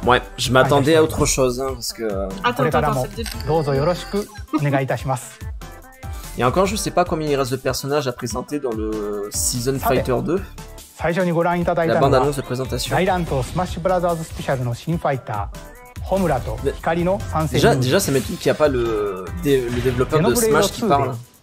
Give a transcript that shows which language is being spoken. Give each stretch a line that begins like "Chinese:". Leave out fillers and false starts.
French: Ouais, je m'attendais à autre chose, hein, parce que
Japanese: これからもどうぞよろしくお願いいたします。
French: Et encore, je ne sais pas combien il reste de personnages à présenter dans le Season Fighter 2. La bande-annonce de présentation. Déjà, ça m'étonne qu'il n'y a pas le développeur de Smash qui parle.